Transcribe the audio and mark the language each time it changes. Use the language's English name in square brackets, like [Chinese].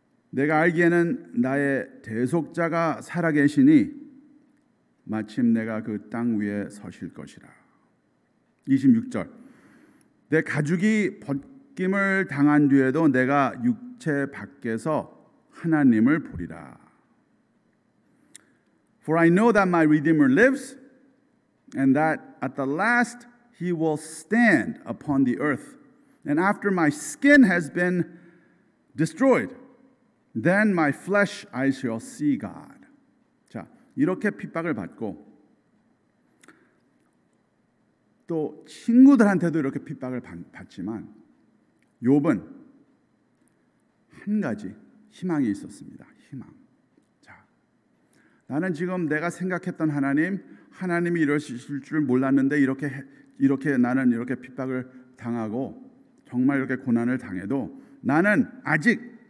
[Korean] 내가 알기에는 나의 대속자가 살아계시니 마침 내가 그 땅 위에 서실 것이라. 26절. 내 가죽이 벗김을 당한 뒤에도 내가 육체 밖에서 하나님을 보리라. [English] For I know that my Redeemer lives and that at the last he will stand upon the earth. And after my skin has been destroyed, then my flesh I shall see God. [Korean] 자, 이렇게 핍박을 받고 또 친구들한테도 이렇게 핍박을 받지만 욥은 한 가지 희망이 있었습니다. 희망. 자, 나는 지금 내가 생각했던 하나님이 이러실 줄 몰랐는데 이렇게 나는 이렇게 핍박을 당하고 정말 이렇게 고난을 당해도 나는 아직